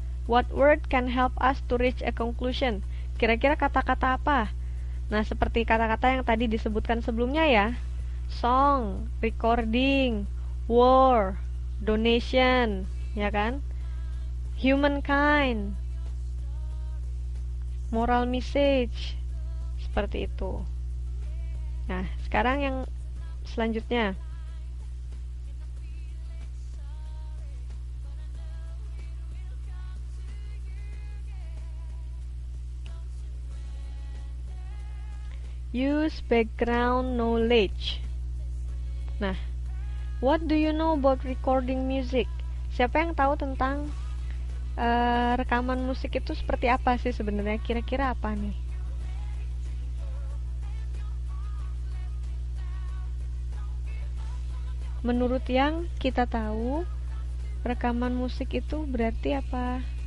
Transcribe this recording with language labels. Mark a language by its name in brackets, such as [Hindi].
[English] What word can help us to reach a conclusion? [Indonesian] Kira-kira kata-kata apa? Nah, seperti kata-kata yang tadi disebutkan sebelumnya ya. [English] Song, recording, war, donation, ya kan? Humankind. Moral message. [Indonesian] Seperti itu. Nah, sekarang yang selanjutnya. [English] Use background knowledge. Nah, what do you know about recording music? [Indonesian] Siapa yang tahu tentang rekaman musik itu seperti apa sih sebenarnya? Kira-kira apa nih? Menurut yang kita tahu, rekaman musik itu berarti apa?